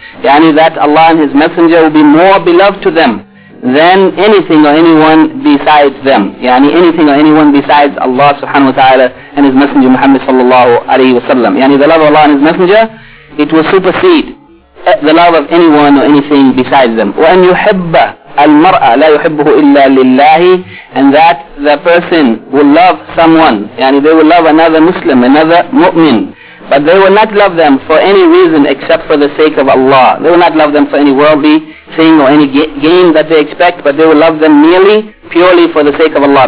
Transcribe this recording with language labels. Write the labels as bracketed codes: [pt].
[en] يعني that Allah and His Messenger will be more beloved to them than anything or anyone besides them. يعني anything or anyone besides Allah subhanahu wa ta'ala and His Messenger Muhammad sallallahu alayhi wa sallam. يعني the love of Allah and His Messenger, it will supersede the love of anyone or anything besides them. [ar] وأن يحب المرأة لا يحبه إلا لله. [en] And that the person will love someone, يعني they will love another Muslim, another mu'min, but they will not love them for any reason except for the sake of Allah. They will not love them for any worldly thing or any gain that they expect, but they will love them merely, purely for the sake of Allah.